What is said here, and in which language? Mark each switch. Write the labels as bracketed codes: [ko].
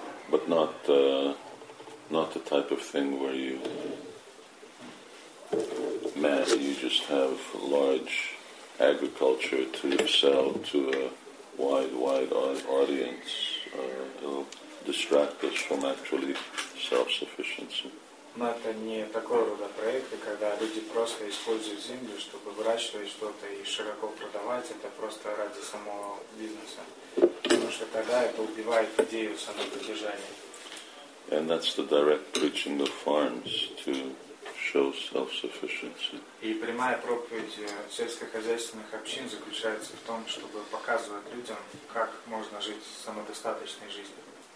[en] But not the type of thing where you man, you just have large agriculture to sell to a wide audience. It'll distract us from actually self-sufficiency. [ru] Но это не такого рода проекты, когда люди просто используют землю, чтобы выращивать что-то и широко продавать. Это просто ради самого бизнеса. Потому что тогда это убивает идею самоподдержания. [en] And that's the direct preaching of farms to show self-sufficiency. [ru] И прямая проповедь сельскохозяйственных общин заключается в том, чтобы показывать людям, как можно жить самодостаточной жизнью.